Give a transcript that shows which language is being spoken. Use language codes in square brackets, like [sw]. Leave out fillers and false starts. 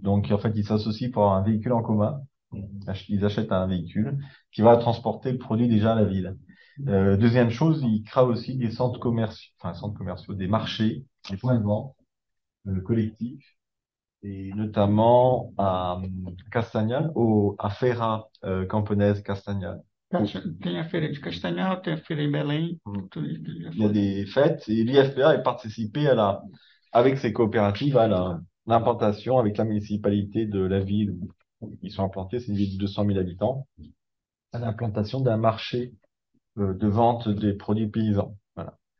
[fr] Donc, en fait, ils s'associent pour avoir un véhicule en commun, ils achètent un véhicule qui va transporter le produit déjà à la ville. Deuxième chose, il crée aussi des centres commerciaux, enfin, centres commerciaux, des marchés, des points de vente collectifs, et notamment à Castagnale, à Feira Campones Castagnale. [pt] Tem a feira de Castanhal, tem a feira em Belém, tudo isso já [fr] Il y a [pt] foi. [fr] des fêtes, et l'IFPA est participé à avec ses coopératives, à l'implantation avec la municipalité de la ville où ils sont implantés, c'est une ville de 200 000 habitants, à l'implantation d'un marché de vente des produits paysans, voilà.